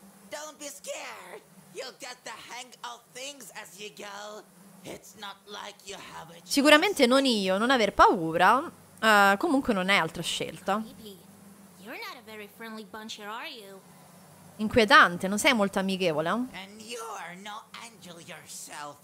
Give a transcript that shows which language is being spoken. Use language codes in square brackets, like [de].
[en] Don't be scared, you'll get the hang of things as you go. It's not like you have a chance. [it] Sicuramente non io, non aver paura, comunque non hai altra scelta. [en] You're not a very friendly bunch here, are you? [it] Inquietante, non sei molto amichevole? [en] And you're no angel yourself,